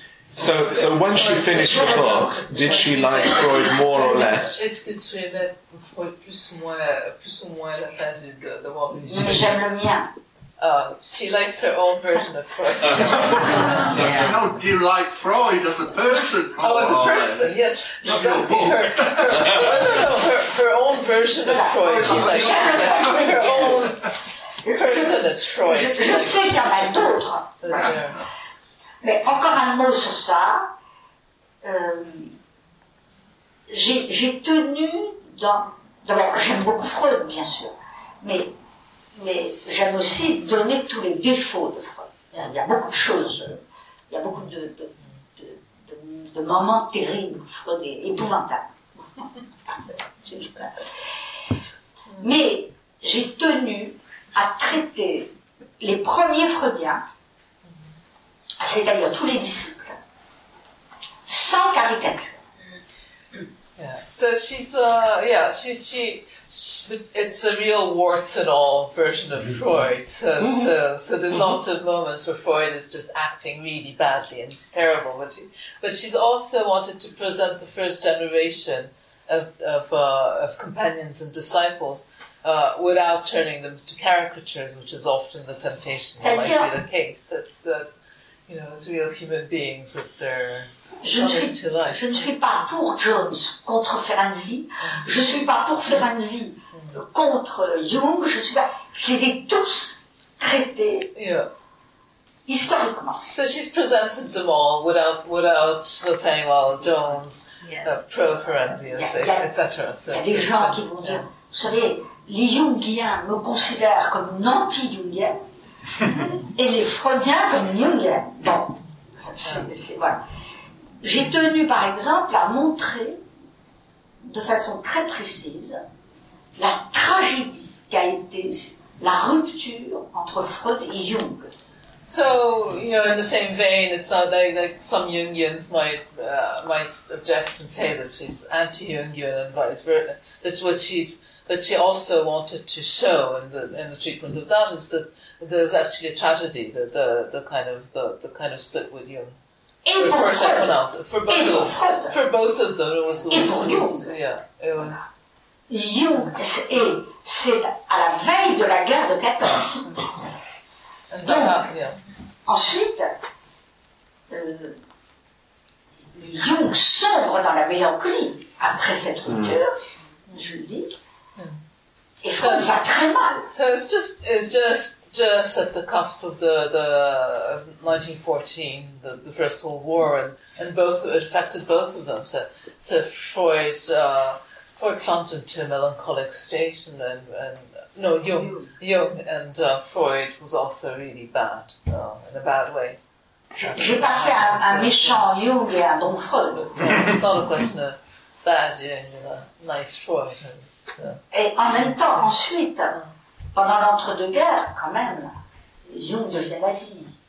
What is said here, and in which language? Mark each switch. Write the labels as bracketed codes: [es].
[en] So when she finished the book, did she like Freud more or less? [fr] Est-ce que tu aimais Freud plus ou moins la phase de Walt Disney? Mais j'aime le mien. [en] She likes her own version of Freud. Yeah. No, do you like Freud as a person? Yes. Not your book. Her own version of Freud. She likes her own person of Freud. [fr] Je sais qu'il y en a d'autres. Mais encore un mot sur ça. J'ai tenu dans. D'abord, j'aime beaucoup Freud, bien sûr. Mais j'aime aussi donner tous les défauts de Freud. Il y a beaucoup de choses. Il y a beaucoup de moments terribles où Freud est épouvantable. Mais j'ai tenu à traiter les premiers Freudiens, c'est-à-dire tous les disciples, sans caricature. [en] So she's it's a real warts and all version of Freud. So there's lots of moments where Freud is just acting really badly and it's terrible. But she's also wanted to present the first generation of companions and disciples without turning them to caricatures, which is often the temptation that might be the case. That's you know, as real human beings with their [fr] Je ne suis pas pour Jones contre Ferenczi, je ne suis pas pour Ferenczi contre Jung, je suis pas. Je les ai tous traités historiquement. [en] So she's presented them all without saying, well, Jones, pro Ferenczi, etc. [fr] Il y a des gens qui vont dire, vous savez, les Jungiens me considèrent comme une anti-Jungienne et les Freudiens comme une Jungienne. Bon, c'est voilà. J'ai tenu, par exemple, à montrer de façon très précise la tragédie qu'a été la rupture entre Freud et Jung. [en] So, you know, in the same vein, it's not like some Jungians might object and say that she's anti-Jungian and vice versa. That's what she's... But she also wanted to show in the treatment of that is that there's actually a tragedy, the kind of split with Jung. For both of them, it was [fr] Jung, c'est à la veille de la guerre de 14. Donc, ensuite, Jung sombre dans la mélancolie après cette rupture, je le dis, et Freud va très mal. [en] So it's just at the cusp of the 1914, the First World War, and both it affected both of them. So Freud plunged into a melancholic state, and Freud was also really bad in a bad way. [fr] J'ai pas fait un méchant Jung et un bon Freud. [en] It's not a question of bad Jung and a nice Freud. [fr] Et en même temps, ensuite. Pendant l'entre-deux-guerres, quand même, Jung devient nazi.